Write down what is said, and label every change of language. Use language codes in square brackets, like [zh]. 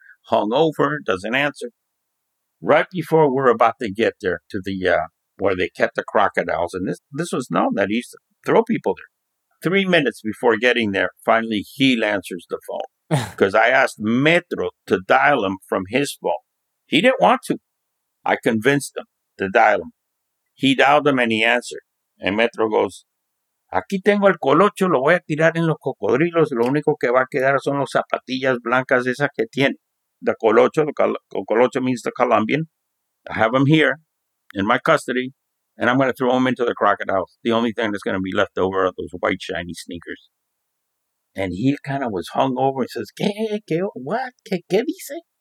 [en] Hung over, doesn't answer. Right before we're about to get there to the where they kept the crocodiles, and this was known that he used to throw people there. 3 minutes before getting there, finally Gil answers the phone. Because I asked Metro to dial him from his phone. He didn't want to. I convinced him to dial him. He dialed him and he answered. And Metro goes, [es] aquí tengo el colocho, lo voy a tirar en los cocodrilos. Lo único que va a quedar son los zapatillas blancas esas que tiene. [en] The colocho, colocho means the Colombian. I have him here in my custody, and I'm going to throw him into the crocodiles. The only thing that's going to be left over are those white shiny sneakers. And he kind of was hung over and says, [es] ¿Qué dice?